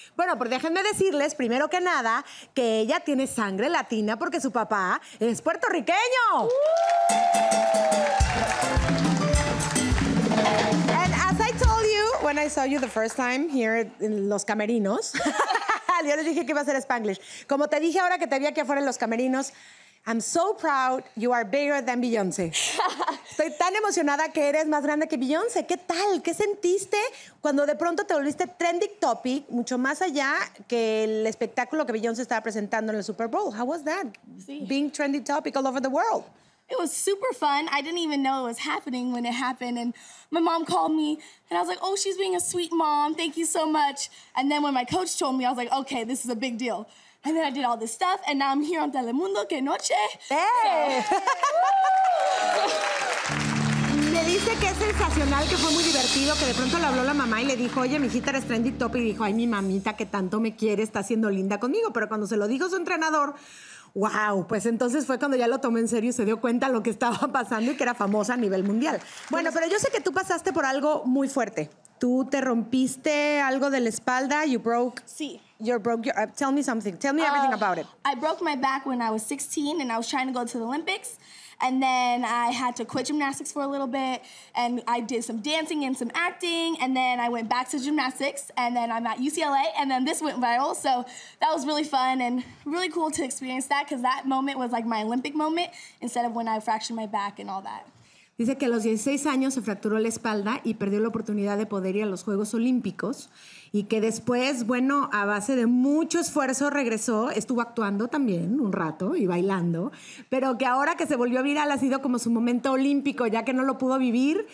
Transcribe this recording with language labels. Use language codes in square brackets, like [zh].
[es] Bueno, pues déjenme decirles, primero que nada, que ella tiene sangre latina porque su papá es puertorriqueño. [en] And as I told you, when I saw you the first time here in Los Camerinos, [es] yo les dije que iba a ser Spanglish. Como te dije ahora que te vi aquí afuera en Los Camerinos, [en] I'm so proud you are bigger than Beyoncé. [es] Estoy tan emocionada que eres más grande que Beyoncé. ¿Qué tal? ¿Qué sentiste cuando de pronto te volviste trending topic, mucho más allá que el espectáculo que Beyoncé estaba presentando en el Super Bowl? [en] How was that? [es] Sí. [en] Being trending topic all over the world. It was super fun. I didn't even know it was happening when it happened. And my mom called me and I was like, oh, she's being a sweet mom. Thank you so much. And then when my coach told me, I was like, okay, this is a big deal. And then I did all this stuff, and now I'm here on Telemundo, [es] que noche. ¡Hey! Me dice que es sensacional, que fue muy divertido, que de pronto le habló la mamá y le dijo, oye, mi hijita, eres trendy top, y dijo, ay, mi mamita, que tanto me quiere, está siendo linda conmigo. Pero cuando se lo dijo su entrenador, wow, pues entonces fue cuando ya lo tomé en serio y se dio cuenta lo que estaba pasando y que era famosa a nivel mundial. Bueno, pero yo sé que tú pasaste por algo muy fuerte. Tú te rompiste algo de la espalda, [en] you broke. [es] Sí. [en] You're broke. You're, tell me something. Tell me everything about it. I broke my back when I was 16 and I was trying to go to the Olympics. And then I had to quit gymnastics for a little bit. And I did some dancing and some acting. And then I went back to gymnastics. And then I'm at UCLA. And then this went viral. So that was really fun and really cool to experience that, because that moment was like my Olympic moment instead of when I fractured my back and all that. [es] Dice que a los 16 años se fracturó la espalda y perdió la oportunidad de poder ir a los Juegos Olímpicos. Y que después, bueno, a base de mucho esfuerzo regresó, estuvo actuando también un rato y bailando, pero que ahora que se volvió viral ha sido como su momento olímpico, ya que no lo pudo vivir.